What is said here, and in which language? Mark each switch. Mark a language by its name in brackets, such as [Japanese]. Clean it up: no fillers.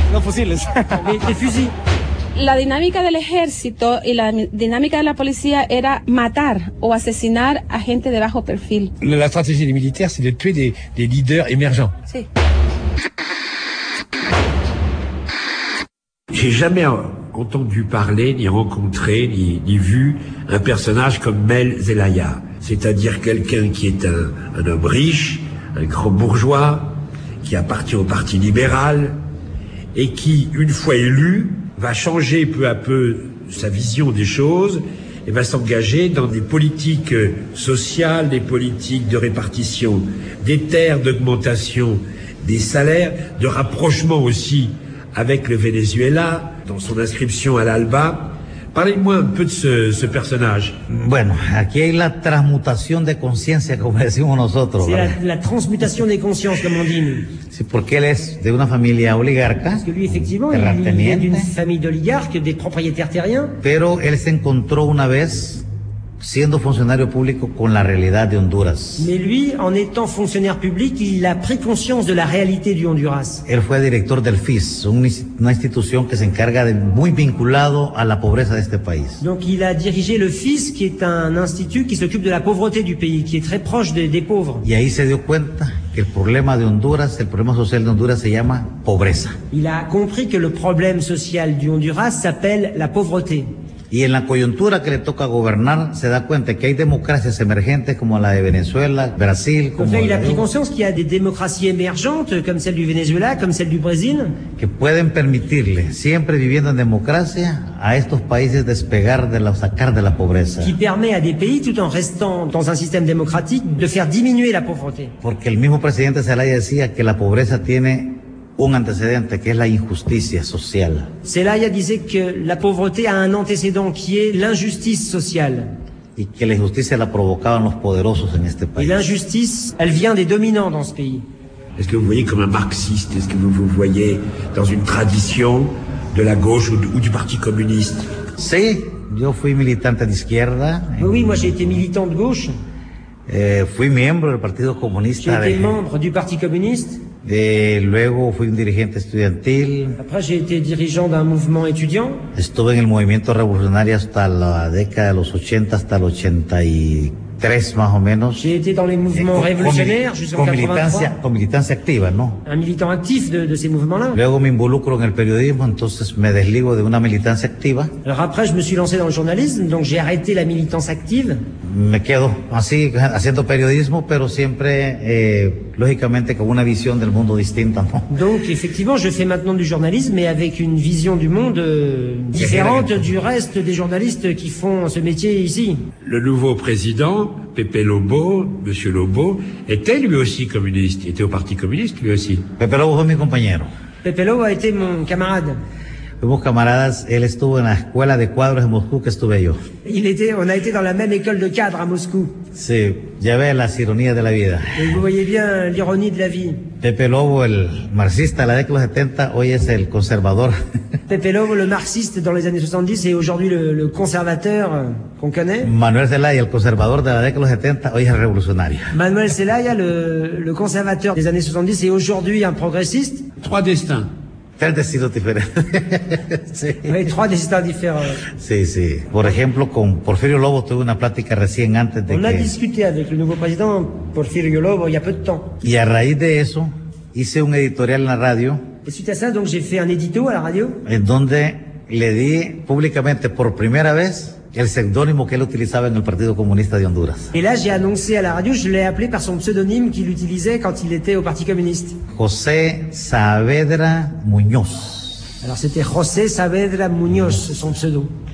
[Spanish] Los fusiles. [French] Les fusils. [Spanish] La dinámica del ejército y la dinámica de la policía era matar o asesinar a gente de bajo perfil. La estrategia del militar es de [French] tuer des [Spanish] líderes emergentes. Sí. [French] J'ai jamais entendu parler, ni rencontré, ni vu un personnage comme Mel Zelaya, c'est-à-dire quelqu'un qui est un homme riche, un grand bourgeois, qui appartient au Parti libéral, et qui, une fois élu, va changer peu à peu sa vision des choses et va s'engager dans des politiques sociales, des politiques de répartition des terres, d'augmentation des salaires, de rapprochement aussi avec le Venezuela, dans son inscription à l'ALBA. Parlez-moi un peu de ce personnage. [Spanish] Bueno, aquí hay la transmutación de conciencia, como decimos nosotros. [French] C'est la [Spanish] transmutación de conciencia, [French] comme on dit. [Spanish] Sí, porque él es de una familia oligarca. [French] Parce que lui, effectivement, il est d'une famille d'oligarques, des propriétaires terriens. [Spanish] Pero él se encontró una vez, siendo funcionario público, con la realidad de Honduras. [French] Mais lui, en étant fonctionnaire public, il a pris conscience de la réalité du Honduras. [Spanish] Él fue director del FIS, una institución que se encarga de muy vinculado a la pobreza de este país. [French] Donc il a dirigé le FIS, qui est un institut qui s'occupe de la pauvreté du pays, qui est très proche des pauvres. [Spanish] Y ahí se dio cuenta que el problema de Honduras, el problema social de Honduras se llama pobreza. [French] Il a compris que le problème social du Honduras s'appelle la pauvreté. [Spanish] Y en la coyuntura que le toca gobernar, se da cuenta que hay democracias emergentes como la de Venezuela, Brasil, como [French] en fait, il a pris conscience qu'il y a des démocraties émergentes comme celle du Venezuela, comme celle du Brésil, [Spanish] que pueden permitirle, siempre viviendo en democracia, a estos países despegar de la sacar de la pobreza. [French] Qui permet à des pays tout en restant dans un système démocratique de faire diminuer la pauvreté. [Spanish] Porque el mismo presidente Zelaya decía que la pobreza tiene un antecedente que es la injusticia social. [French] Zelaya [Spanish] dice que [French] la pauvreté a un antecedent qui est l'injustice sociale. [Spanish] Y que la injusticia la provocaban los poderosos en este país. [French] Et l'injustice, elle vient des dominants dans ce pays. Est-ce que vous voyez comme un marxiste? Est-ce que vous voyez dans une tradition de la gauche ou du Parti communiste? [Spanish] Sí, yo fui militante de izquierda. [French] Oui, moi j'ai été militant de gauche. [Spanish] Fui miembro del Partido Comunista. [French] J'ai été membre du Parti communiste. Et [Spanish] luego fui un dirigente estudiantil. [French] Après j'ai été dirigeant d'un mouvement étudiant. [Spanish] Estuve en el movimiento revolucionario hasta la década de los 80, hasta el 83 más o menos. [French] J'ai été dans les mouvements révolutionnaires jusqu'en 83. [Spanish] Con militancia activa, ¿no? [French] Un militant actif de ces mouvements-là. [Spanish] Luego me involucro en el periodismo, entonces me desligo de una militancia activa. [French] Alors après je me suis lancé dans le journalisme, donc j'ai arrêté la militance active. [Spanish] Me quedo así haciendo periodismo, pero siempre lógicamente con una visión del mundo distinta, ¿no? [French] Donc effectivement, je fais maintenant du journalisme mais avec une vision du monde différente du reste des journalistes qui font ce métier ici. Le nouveau président Pepe Lobo, monsieur Lobo, était lui aussi communiste, était au Parti communiste lui aussi. [Spanish] Pepe Lobo fue mi compañero. [French] Pepe Lobo a été mon camarade. [Spanish] Fuimos camaradas, él estuvo en la escuela de cuadros de Moscú que estuve yo. [French] On a été dans la même école de cadres à Moscou. [Spanish] Sí, ya ves las ironías de la vida. [French] Et vous voyez bien l'ironie de la vie. [Spanish] Pepe Lobo, el marxista de la década de los 70, hoy es el conservador. [French] Pepe Lobo, le marxiste dans les années 70, et aujourd'hui le conservateur qu'on connaît. [Spanish] Manuel Zelaya, el conservador de la década de los 70, hoy es el revolucionario. [French] Manuel Zelaya, le conservateur des années 70, et aujourd'hui un progressiste. Trois destins. [Spanish] Tres destinos diferentes. Sí. Tres destinos diferentes. Sí, sí. Por ejemplo, con Porfirio Lobo tuve una plática recién antes de [French] On [Spanish] que... [French] On a discuté avec le nouveau président Porfirio Lobo il y a peu de temps. [Spanish] Y a raíz de eso, hice un editorial en la radio. [French] Et suite à ça, donc, j'ai fait un édito à la radio. [Spanish] En donde le di públicamente por primera vez el seudónimo que él utilizaba en el Partido Comunista de Honduras. [French] Et là, j'ai annoncé à la radio, je l'ai appelé par son pseudonyme qu'il utilisait quand il était au Parti Communiste. [Spanish] José Saavedra Muñoz. [French] Alors, c'était José Saavedra Muñoz, son pseudo.